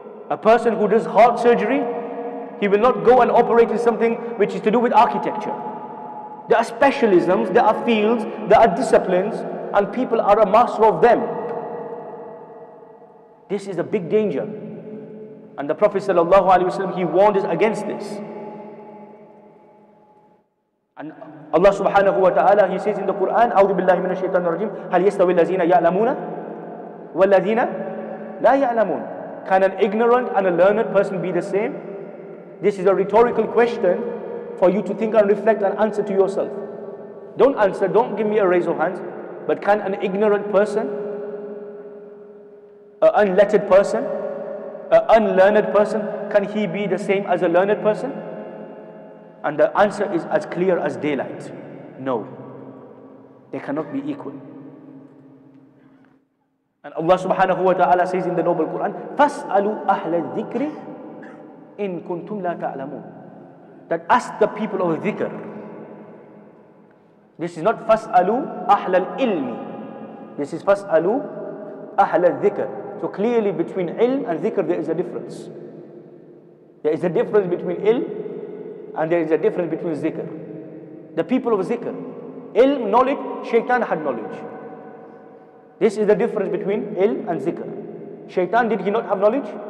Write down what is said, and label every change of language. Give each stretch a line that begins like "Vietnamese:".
English: A person who does heart surgery, he will not go and operate in something which is to do with architecture. There are specialisms, there are fields, there are disciplines, and people are a master of them. This is a big danger. And the Prophet sallallahu alaihi wasallam, he warned us against this. And Allah subhanahu wa ta'ala, he says in the Quran,
Arabic: أعوذ بالله من الشيطان الرجيم هل يستوي الذين يعلمون والذين لا يعلمون.
English: Can an ignorant and a learned person be the same? This is a rhetorical question for you to think and reflect and answer to yourself. Don't answer, don't give me a raise of hands, but can an ignorant person, an unlettered person, an unlearned person, can he be the same as a learned person? And the answer is as clear as daylight. No, they cannot be equal. And Allah subhanahu wa ta'ala says in the noble Quran,
Arabic: فَاسْأَلُوا أَهْلَ الذِّكْرِ إِن كُنْتُمْ لَا تَعْلَمُونَ.
English: That ask the people of dhikr. This is not
Arabic: فَاسْأَلُوا أَهْلَ الْإِلْمِ.
English: This is
Arabic: فَاسْأَلُوا أَهْلَ الذِّكْرِ.
English: So clearly between ilm and dhikr there is a difference. There is a difference between ilm and there is a difference between dhikr. The people of dhikr, ilm, knowledge, shaitan had knowledge. This is the difference between ilm and zikr. Shaitan, did he not have knowledge?